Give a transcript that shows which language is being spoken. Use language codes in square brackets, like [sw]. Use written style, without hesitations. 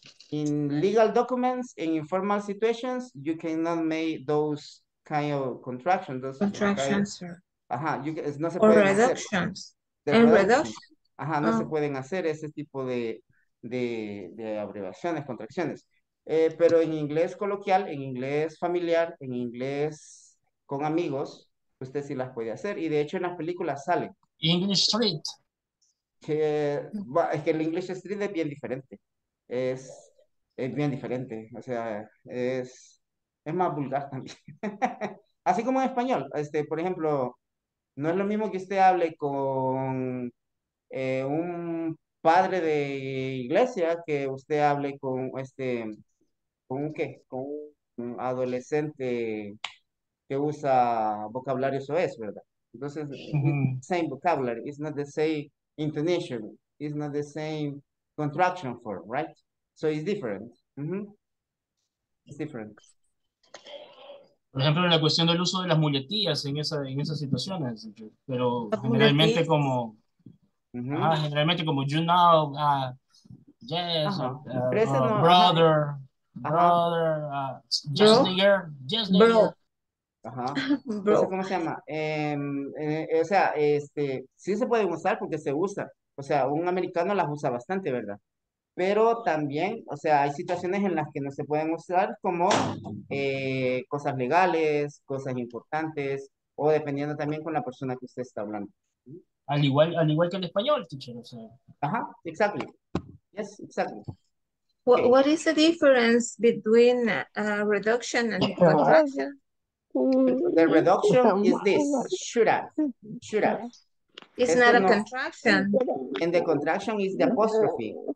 [en] In legal documents, in informal situations, you cannot make those kind of contractions. [es] No se pueden hacer ese tipo de abreviaciones, contracciones. Pero en inglés coloquial, en inglés familiar, en inglés con amigos, usted sí las puede hacer. Y de hecho en las películas salen. [en] English Street. [es] Es que el English Street es bien diferente. Es bien diferente. O sea, es más vulgar también. Así como en español, por ejemplo, no es lo mismo que usted hable con un padre de iglesia que usted hable con un adolescente que usa vocabulario soez, ¿verdad? [en] Entonces, same vocabulary, it's not the same intonation, it's not the same contraction form, right? So it's different. It's different. [es] Por ejemplo, en la cuestión del uso de las muletillas en esas situaciones, pero generalmente como, generalmente como [en] you know, yes, brother, brother, just nigger, [es] just nigger. Bro. Eso, ¿cómo se llama? O sea, este, sí se puede usar porque se usa. O sea, un americano las usa bastante, ¿verdad? Pero también, o sea, hay situaciones en las que no se pueden usar como cosas legales, cosas importantes, o dependiendo también con la persona que usted está hablando. Al igual que en español, teacher, o sea. [en] Ajá, exactly. Yes, exactly. Okay. What is the difference between reduction and contraction? The reduction is this, should have. It's not a contraction. And the contraction is the apostrophe.